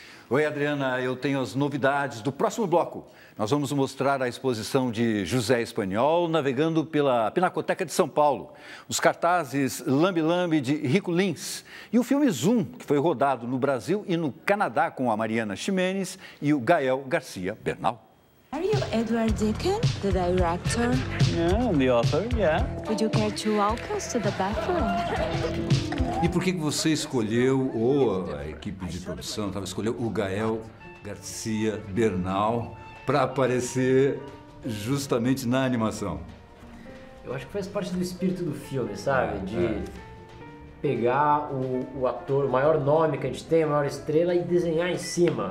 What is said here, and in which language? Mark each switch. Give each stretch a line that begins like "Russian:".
Portuguese: Oi, Adriana, eu tenho as novidades do próximo bloco. Nós vamos mostrar a exposição de José Espanhol navegando pela Pinacoteca de São Paulo, os cartazes Lambi Lambi de Rico Lins e o filme Zoom, que foi rodado no Brasil e no Canadá com a Mariana Ximenes e o Gael Garcia Bernal.
English: Are you Edward Deacon, the director? Yeah, I'm the author, yeah. Would you care to walk us to the bathroom?
Portuguese: E por que você escolheu, ou a equipe de produção, escolheu o Gael Garcia Bernal para aparecer justamente na animação? Eu acho que faz parte do espírito do filme, sabe? Pegar o ator, o maior nome que a gente tem, a maior estrela, e desenhar em cima.